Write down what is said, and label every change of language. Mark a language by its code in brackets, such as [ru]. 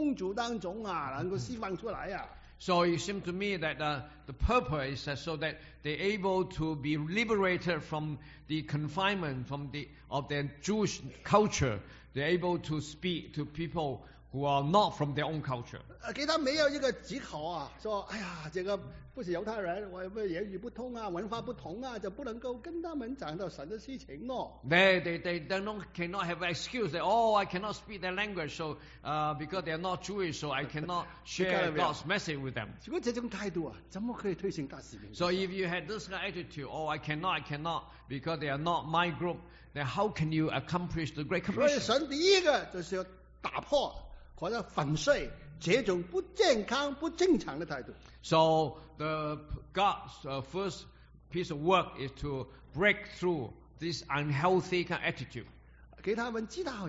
[zh] 其实最主要的目的就给他们从很保守的犹太人这种传统风俗当中能够释放出来。 [en] So it seems to me that the purpose is so that they're able to be liberated from the confinement of their Jewish culture. They're able to speak to people who are not from their own culture. [zh] 给他没有一个藉口，说这个不是犹太人，我什么言语不通，文化不同，就不能够跟他们讲到神的事情。 [en] They cannot have excuse that, oh, I cannot speak their language, so because they are not Jewish, so I cannot share God's message with them. [zh] 如果这种态度，怎么可以推行大使命？ [en] So if you had this attitude, oh, I cannot, because they are not my group, then how can you accomplish the Great Commission? [zh] 所以神第一个就是要打破 [en] So the God's first piece of work is to break through this unhealthy kind of attitude.